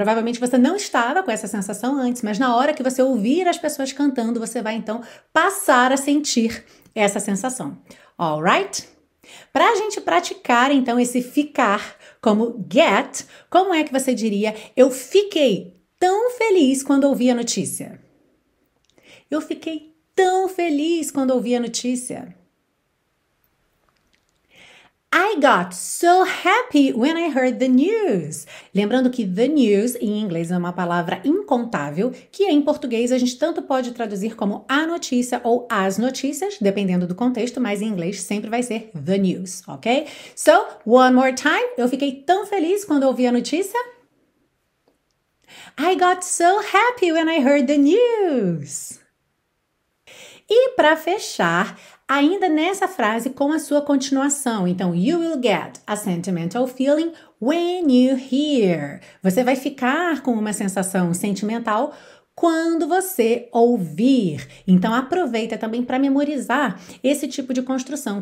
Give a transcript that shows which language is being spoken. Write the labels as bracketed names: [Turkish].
[Portuguese] Provavelmente você não estava com essa sensação antes, mas na hora que você ouvir as pessoas cantando, você vai, então, passar a sentir essa sensação. [English] All right? [Portuguese] Para a gente praticar, então, esse ficar como get, como é que você diria eu fiquei tão feliz quando ouvi a notícia? Eu fiquei tão feliz quando ouvi a notícia. [English] I got so happy when I heard the news. [Portuguese] Lembrando que the news, em inglês, é uma palavra incontável, que em português a gente tanto pode traduzir como a notícia ou as notícias, dependendo do contexto, mas em inglês sempre vai ser the news, ok? [English] So, one more time, [Portuguese] eu fiquei tão feliz quando ouvi a notícia. [English] I got so happy when I heard the news. [Portuguese] E para fechar, ainda nessa frase com a sua continuação, então, [English] you will get a sentimental feeling when you hear. [Portuguese] Você vai ficar com uma sensação sentimental quando você ouvir. Então, aproveita também para memorizar esse tipo de construção.